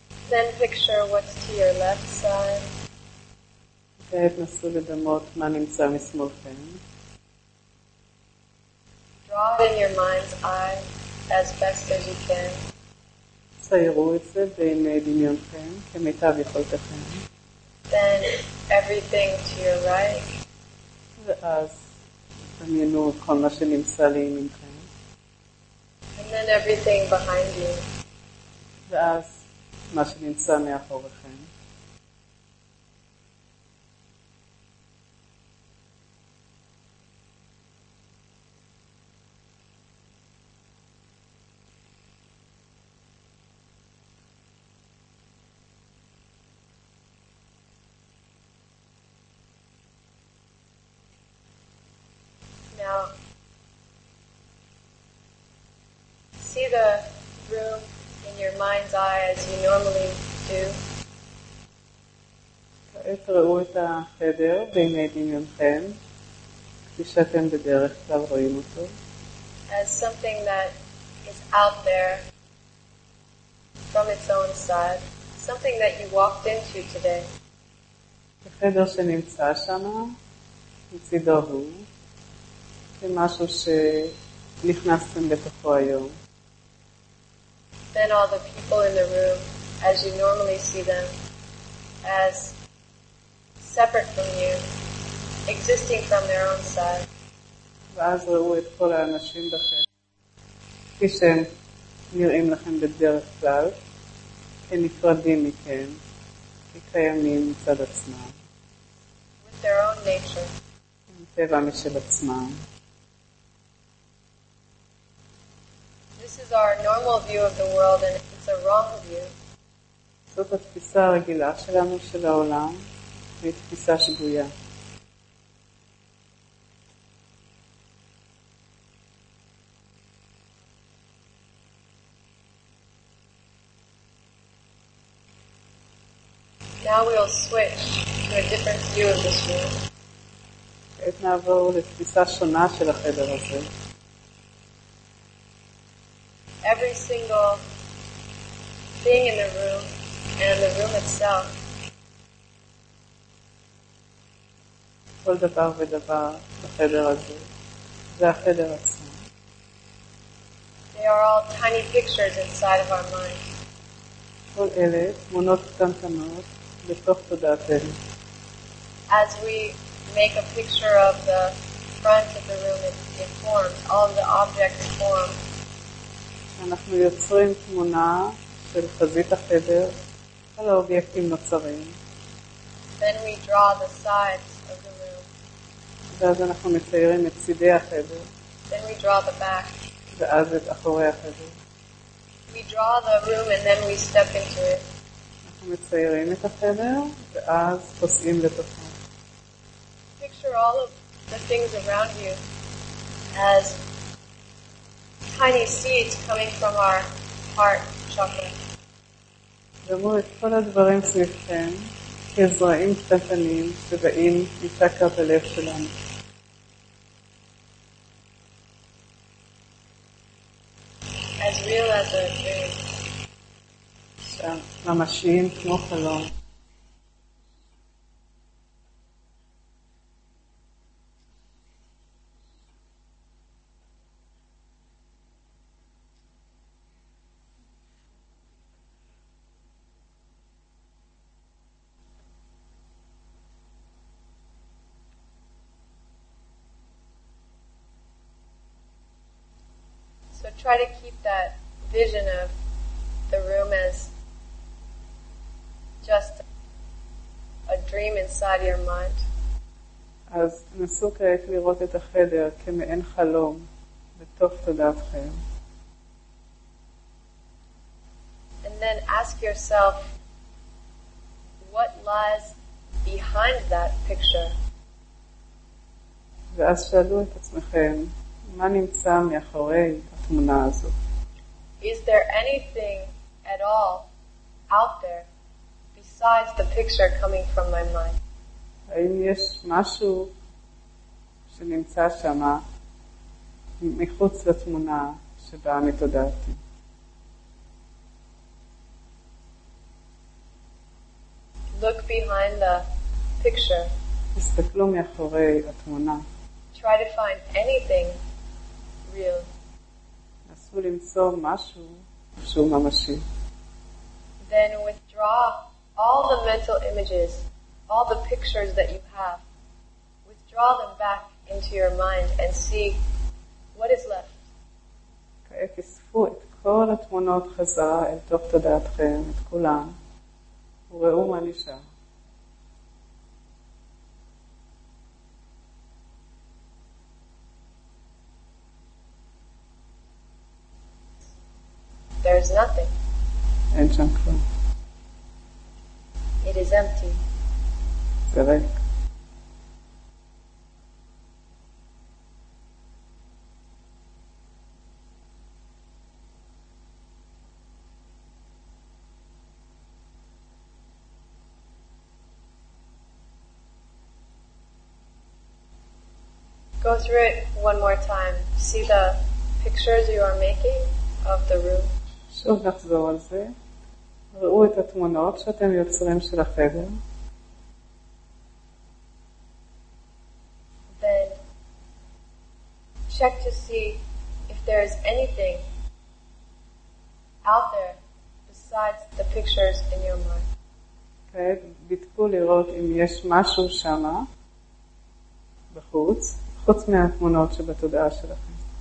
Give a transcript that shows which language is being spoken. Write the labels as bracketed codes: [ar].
[en] Then picture what's to your left side. [he] תנסו לדמות מה נמצא משמאלכם. [en] Draw in your mind's eye as best as you can. [he] ציירו את זה בעיני דמיונכם כמיטב יכולתכם. [en] Then everything to your right. [he] ואז תמיינו כל מה שנמצא לימינכם. [en] And then everything behind you. [he] ואז, מה שנמצא מאחוריכם. [en] Now. See the room in your mind's eye as you normally do. [he] כעת ראו את החדר בעיני דמיונכם, כפי שאתם בדרך כלל רואים אותו. [en] As something that is out there from its own side, something that you walked into today. [he] החדר שנמצא שם, מצידו הוא, כמשהו שנכנסתם בתוכו היום. [en] Then all the people in the room as you normally see them as separate from you existing from their own side. [he] ואז ראו את כל האנשים בחדר כפי שהם נראים לכם בדרך כלל כנפרדים מכם כקיימים מצד עצמם [en] with their own nature [he] עם טבע משל עצמם. [en] is our normal view of the world and it's a wrong view. [he] זאת התפיסה הרגילה שלנו של העולם, היא תפיסה שגויה. [en] Now we'll switch to a different view of this world. [he] עת נעבור לתפיסה שונה של החדר הזה. [en] Every single thing in the room and the room itself. [he] כל דבר ודבר בחדר הזה, זה החדר עצמו. [en] They are all tiny pictures inside of our mind. [he] כל אלה תמונות קטנטנות בתוך תודעתנו. [en] As we make a picture of the front of the room, it forms all the objects form. [he] אנחנו יוצרים תמונה של חזית החדר. כל האובייקטים נוצרים. [en] Then we draw the sides of the room. [he] ואז אנחנו מציירים את צידי החדר. [en] Then we draw the back. [he] ואז את אחורי החדר. [en] We draw the room and then we step into it. [he] אנחנו מציירים את החדר ואז חוסעים לתוכו. [en] Picture all of the things around you as tiny seeds coming from our heart chakra. [he] דמו את כל הדברים סביבכם כזרעים קטנים שבאים מצ'קרת הלב שלנו. [en] As real as a dream. [he] ממשיים כמו חלום. [en] Try to keep that vision of the room as just a dream inside your mind. [he] אז נסו כעת לראות את החדר כמעין חלום בתוך תודעתכם. [en] And then ask yourself, what lies behind that picture? [he] ואז שאלו את עצמכם, מה נמצא מאחורי התמונה הזו? [en] Is there anything at all out there besides the picture coming from my mind? [he] האם יש משהו שנמצא שמה מחוץ לתמונה שבאה מתודעתי? [en] Look behind the picture. [he] הסתכלו מאחורי התמונה. [en] Try to find anything real. [he] נסו למצוא משהו שהוא ממשי. [en] Then withdraw all the mental images, all the pictures that you have. Withdraw them back into your mind and see what is left. [he] כעת אספו את כל התמונות חזרה אל תוך תודעתכם, את כולם, וראו מה נשאר. [en] There is nothing. [he] אין שם כלום. [en] It is empty. [he] זה ריק. [en] Go through it one more time. See the pictures you are making of the room. [he] שוב נחזור על זה. ראו את התמונות שאתם יוצרים של החדר. [en] Then check to see if there is anything out there besides the pictures in your mind. [he] כעת בדקו לראות אם יש משהו שמה בחוץ, חוץ מהתמונות שבתודעה שלכם.